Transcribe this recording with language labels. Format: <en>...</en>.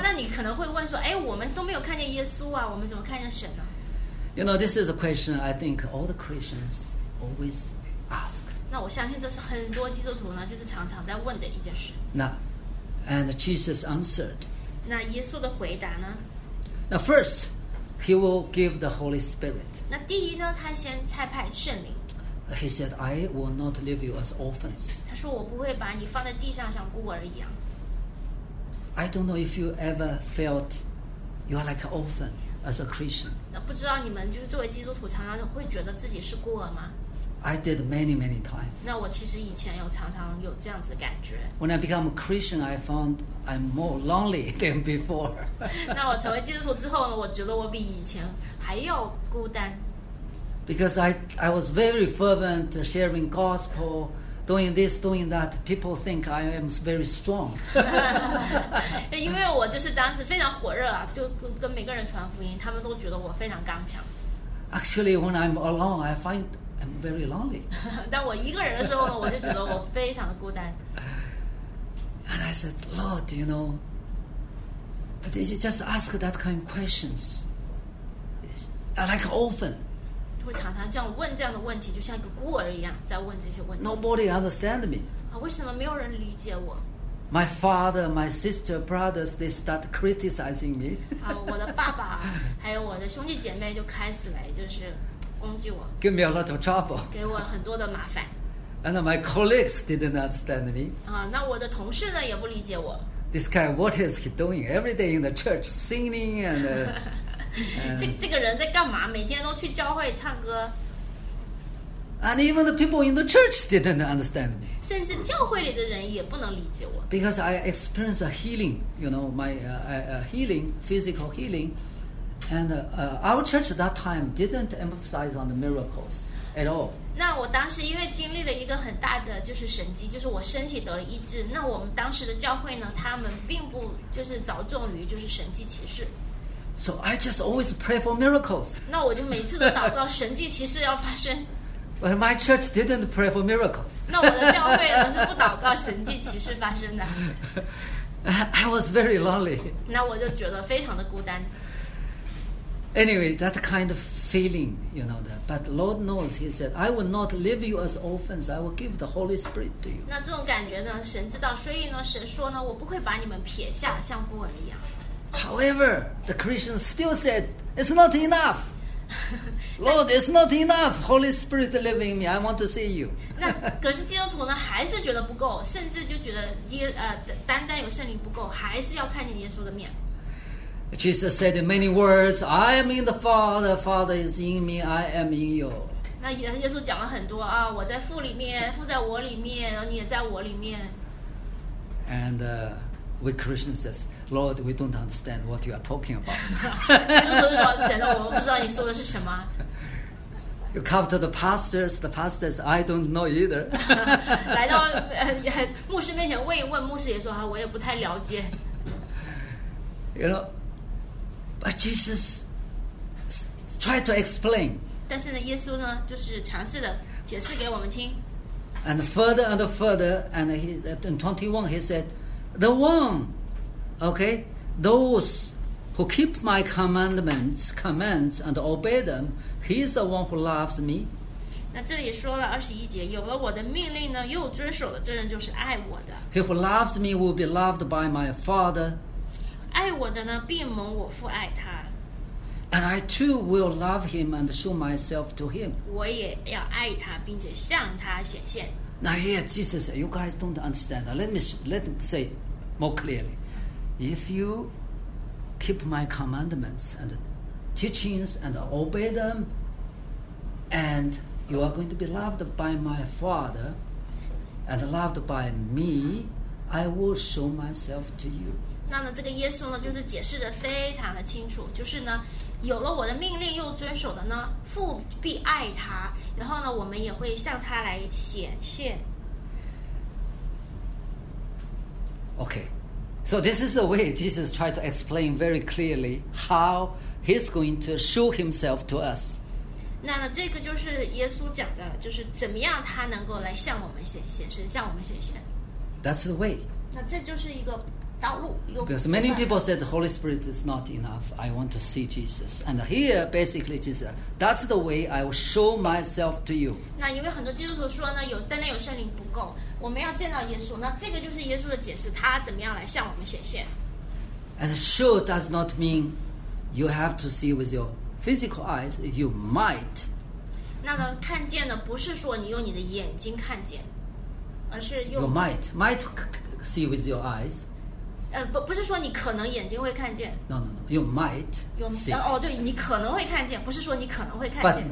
<zh>那你可能会问说，哎，我们都没有看见耶稣啊，我们怎么看见神呢？</zh> <en>You know, this is a question I think all the Christians always ask.</en> <zh>那我相信这是很多基督徒呢，就是常常在问的一件事。</zh> <en>Now, and Jesus answered.</en> <zh>那耶稣的回答呢？</zh> <en>Now, first, he will give the Holy Spirit.</en> <zh>那第一呢，他先差派圣灵。</zh> <en>He said, "I will not leave you as orphans."</en> <zh>他说我不会把你放在地上像孤儿一样。</zh> <en>I don't know if you ever felt you are like an orphan as a Christian.</en> <zh>那不知道你们就是作为基督徒，常常会觉得自己是孤儿吗</zh> <en>？I did many, many times.</en> <zh>那我其实以前有常常有这样子的感觉。</zh> <en>When I become a Christian, I found I'm more lonely than before.</en> <zh>那我成为基督徒之后呢？我觉得我比以前还要孤单。</zh> <en>Because I was very fervent sharing gospel, doing this, doing that. People think I am very strong.</en> <zh>因为我就是当时非常火热啊，就跟每个人传福音，他们都觉得我非常刚强。</zh> <en>Actually, when I'm alone, I find I'm very lonely.</en> <zh>但我一个人的时候呢，我就觉得我非常的孤单。</zh> <en>And I said, Lord, you know, did you just ask that kind of questions? Like often.</en> <zh>会常常这样问这样的问题，就像一个孤儿一样在问这些问题。</zh> <en>Nobody understand me.</en> <zh>啊，为什么没有人理解我</zh> <en>？My father, my sister, brothers, they start criticizing me.</en> <zh>啊，我的爸爸还有我的兄弟姐妹就开始来就是攻击我。</zh> <en>Give me a lot of trouble.</en> <zh>给我很多的麻烦。</zh> <en>And my colleagues didn't understand me.</en> <zh>啊，那我的同事呢也不理解我。</zh> <en>This guy, what is he doing every day in the church singing and?</en> <zh>这个人在干嘛？每天都去教会唱歌。</zh> <en>And even the people in the church didn't understand me.</en> <zh>甚至教会里的人也不能理解我。</zh> <en>Because I experienced a healing, you know, my physical healing, and our church at that time didn't emphasize on the miracles at all.</en> <zh>那我当时因为经历了一个很大的就是神迹，就是我身体得了医治。那我们当时的教会呢，他们并不就是着重于就是神迹奇事。</zh> <en>So I just always pray for miracles.</en> <zh>那我就每次都祷告神迹奇事要发生。</zh> <en>But my church didn't pray for miracles.</en> <zh>那我的教会呢是不祷告神迹奇事发生的。</zh> <en>I was very lonely.</en> <zh>那我就觉得非常的孤单。</zh> <en>Anyway, that kind of feeling, you know that. But Lord knows, He said, "I will not leave you as orphans. I will give the Holy Spirit to you."</en> <zh>那这种感觉呢，神知道，所以呢，神说呢，我不会把你们撇下，像孤儿一样。</zh> <en>However, the Christians still said, "It's not enough, Lord. It's not enough. Holy Spirit living in me. I want to see you."</en> <zh>那可是基督徒呢，还是觉得不够，甚至就觉得单单有圣灵不够，还是要看见耶稣的面。</zh> <en>Jesus said in many words, "I am in the Father. Father is in me. I am in you."</en> <zh>那耶稣讲了很多啊，我在父里面，父在我里面，然后你也在我里面。</zh> <en>And we Christians says. Lord, we don't understand what you are talking about.</en> <zh>神，我们不知道你说的是什么。</zh> <en>You come to the pastors, I don't know either.</en> <zh>来到牧师面前问一问，牧师也说我也不太了解。</zh> <en>You know, but Jesus tried to explain.</en> <zh>但是呢，耶稣呢，就是尝试的解释给我们听。</zh> <en>And further and further, and in 21, he said, the one. Okay, those who keep my commands and obey them, he is the one who loves me.</en> <zh>那这里说了21节，有了我的命令呢，又遵守了，这人就是爱我的。</zh> <en>He who loves me will be loved by my Father.</en> <zh>爱我的呢，必蒙我父爱他。</zh> <en>And I too will love him and show myself to him.</en> <zh>我也要爱他，并且向他显现。</zh> <en>Now here, Jesus, you guys don't understand. Let me say more clearly. If you keep my commandments and teachings and obey them, and you are going to be loved by my Father and loved by me, I will show myself to you.</en> <zh>那呢，这个耶稣呢，就是解释的非常的清楚，就是呢，有了我的命令又遵守的呢，父必爱他，然后呢，我们也会向他来显现。</zh> <en>Okay. So this is the way Jesus tried to explain very clearly how he's going to show himself to us.</en> <zh>那呢这个就是耶稣讲的，就是怎么样他能够来向我们显身，向我们显现。</zh> <en>That's the way.</en> <zh>那这就是一个道路，一个。</zh> <en>Because many people said the Holy Spirit is not enough. I want to see Jesus. And here, basically, Jesus, that's the way I will show myself to you.</en> <zh>那因为很多基督徒说呢，有单单有圣灵不够，我们要见到耶稣。那这个就是耶稣的解释，他怎么样来向我们显现。</zh> <en>And show does not mean you have to see with your physical eyes. You might.</en> <zh>那呢，看见呢，不是说你用你的眼睛看见。</zh> <en>You might see with your eyes.</en> <zh>不是说你可能眼睛会看见。</zh> <en>No. You might.</en> <zh>对，你可能会看见，不是说你可能会看见。</zh>